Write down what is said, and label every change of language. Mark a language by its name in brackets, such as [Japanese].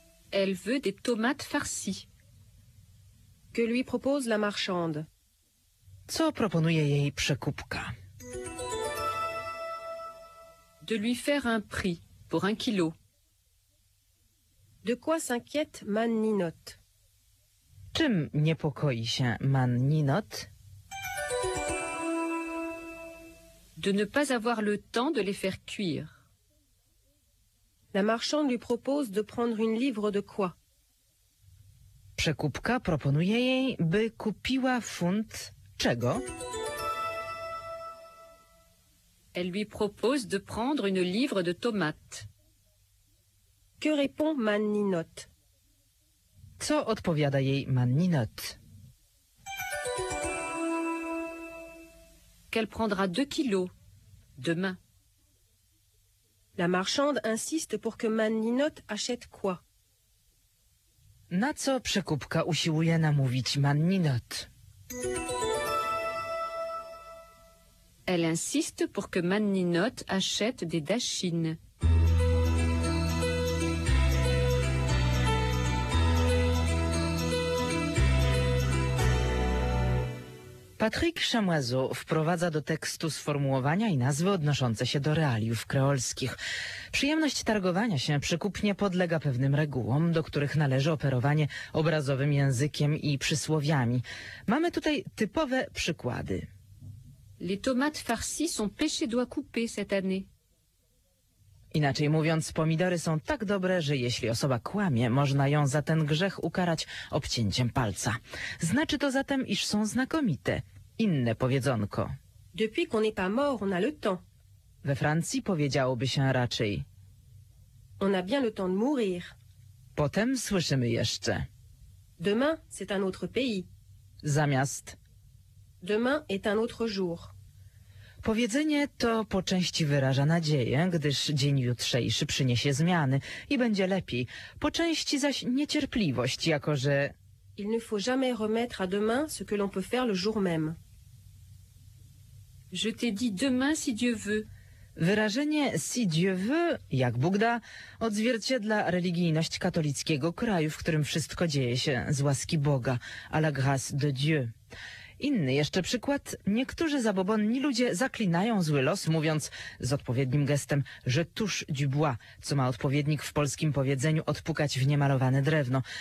[French] Elle veut des tomates farcies. Que lui propose la marchande? [Polish] Co proponuje jej przekupka? [French] De lui faire un prix pour un kilo. De quoi s'inquiète man Ninot? [Polish] Czym niepokoi się man Ninot? [French] De ne pas avoir le temps de les faire cuire. La marchande lui propose de prendre une livre de quoi? [Polish] Przekupka proponuje jej, by kupiła funt czego? [French] Elle lui propose de prendre une livre de tomates. Que répond man Ninot? [Polish] Co odpowiada jej man Ninot? [French] Qu'elle prendra 2 kilos demain. La marchande insiste pour que man Ninot achète quoi? [Polish] Na co przekupka usiłuje namówić man Ninot? [French] Elle insiste pour que man Ninot achète des dachines. [Polish] Patrick Chamoiseau wprowadza do tekstu sformułowania i nazwy odnoszące się do realiów kreolskich. Przyjemność targowania się przekupnie podlega pewnym regułom, do których należy operowanie obrazowym językiem i przysłowiami. Mamy tutaj typowe przykłady. [French] Les tomates farcies sont pêchées doigts coupés cette année. [Polish] Inaczej mówiąc, pomidory są tak dobre, że jeśli osoba kłamie, można ją za ten grzech ukarać obcięciem palca. Znaczy to zatem, iż są znakomite. Inne powiedzonko. [French] Depuis qu'on n'est pas mort, on a le temps. [Polish] We Francji powiedziałoby się raczej. [French] On a bien le temps de mourir. [Polish] Potem słyszymy jeszcze. [French] Demain, c'est un autre pays. [Polish] Zamiast. [French] Demain est un autre jour. [Polish] Powiedzenie to po części wyraża nadzieję, gdyż dzień jutrzejszy przyniesie zmiany i będzie lepiej. Po części zaś niecierpliwość, jako że... [French] Il ne faut jamais remettre à demain ce que l'on peut faire le jour même. Je t'ai dit demain si Dieu veut. [Polish] Wyrażenie [French] si Dieu veut, [Polish] jak Bóg da, odzwierciedla religijność katolickiego kraju, w którym wszystko dzieje się z łaski Boga, [French] à la grâce de Dieu. [Polish] Inny jeszcze przykład. Niektórzy zabobonni ludzie zaklinają zły los, mówiąc z odpowiednim gestem, że [French] touche du bois, [Polish] co ma odpowiednik w polskim powiedzeniu odpukać w niemalowane drewno.